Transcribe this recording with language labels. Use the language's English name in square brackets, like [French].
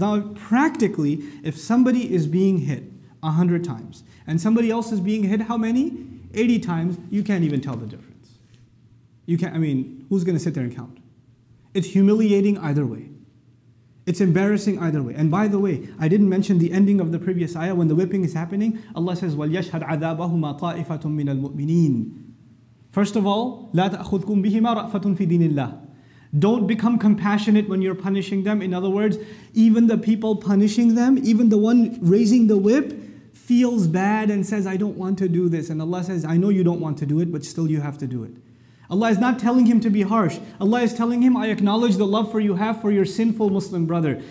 [English] Now, practically, if somebody is being hit 100 times and somebody else is being hit how many? 80 times, you can't even tell the difference. You can't, I mean, who's going to sit there and count? It's humiliating either way. It's embarrassing either way. And by the way, I didn't mention the ending of the previous ayah when the whipping is happening. Allah says, [Arabic] وَلْيَشْهَدْ عَذَابَهُمَا طَائِفَةٌ مِّنَ الْمُؤْمِنِينَ. [English] First of all, [Arabic] لَا تَأْخُذْكُمْ بِهِمَا رَأْفَةٌ فِي دِينِ اللَّهِ. [English] Don't become compassionate when you're punishing them. In other words, even the people punishing them, even the one raising the whip, feels bad and says, I don't want to do this. And Allah says, I know you don't want to do it, but still you have to do it. Allah is not telling him to be harsh. Allah is telling him, I acknowledge the love for you have for your sinful Muslim brother.